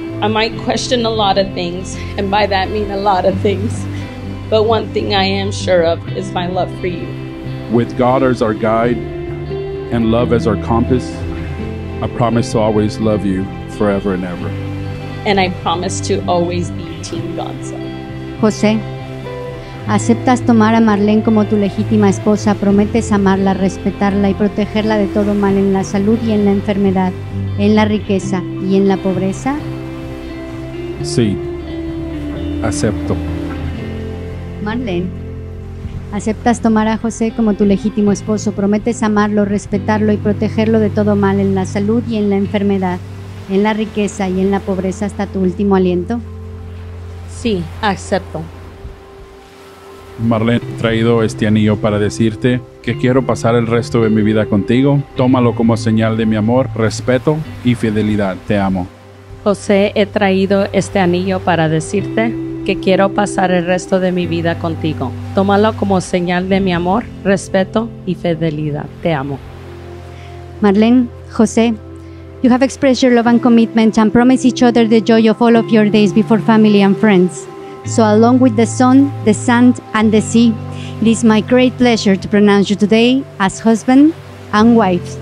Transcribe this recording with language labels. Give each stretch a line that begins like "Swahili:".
English: I might question a lot of things, and by that mean a lot of things, but one thing I am sure of is my love for you. With God as our guide and love as our compass, I promise to always love you forever and ever. And I promise to always be Team Godson.
Spanish: José, aceptas tomar a Marlene como tu legítima esposa, prometes amarla, respetarla y protegerla de todo mal en la salud y en la enfermedad, en la riqueza y en la pobreza. Sí, acepto. Marlene, aceptas tomar a José como tu legítimo esposo, prometes amarlo, respetarlo y protegerlo de todo mal en la salud y en la enfermedad, en la riqueza y en la pobreza hasta tu último aliento. Sí, acepto. Marlene, he traído este anillo para decirte que quiero pasar el resto de mi vida contigo. Tómalo como señal de mi amor, respeto y fidelidad. Te amo. José, he traído este anillo para decirte que quiero pasar el resto de mi vida contigo. Tómalo como señal de mi amor, respeto y fidelidad. Te amo.
English: Marlene, José, you have expressed your love and commitment and promise each other the joy of all of your days before family and friends. So along with the sun, the sand, and the sea, it is my great pleasure to pronounce you today as husband and wife.